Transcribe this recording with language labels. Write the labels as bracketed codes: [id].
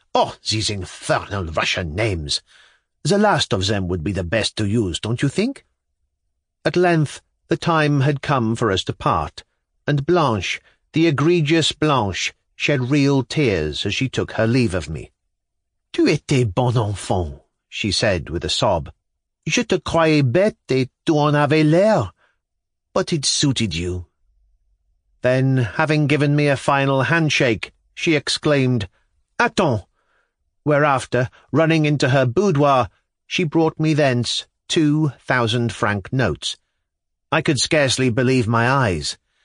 [en] Oh, these infernal Russian names! The last of them would be the best to use, don't you think?" At length, the time had come for us to part, and Blanche, the egregious Blanche, shed real tears as she took her leave of me. [fr] "Tu étais bon enfant," [en] she said with a sob. [fr] "Je te croyais bête et tu en avais l'air. [en] But it suited you." Then, having given me a final handshake, she exclaimed, [fr] "Attends!" [en] Whereafter, running into her boudoir, she brought me thence 2,000-franc notes. I could scarcely believe my eyes.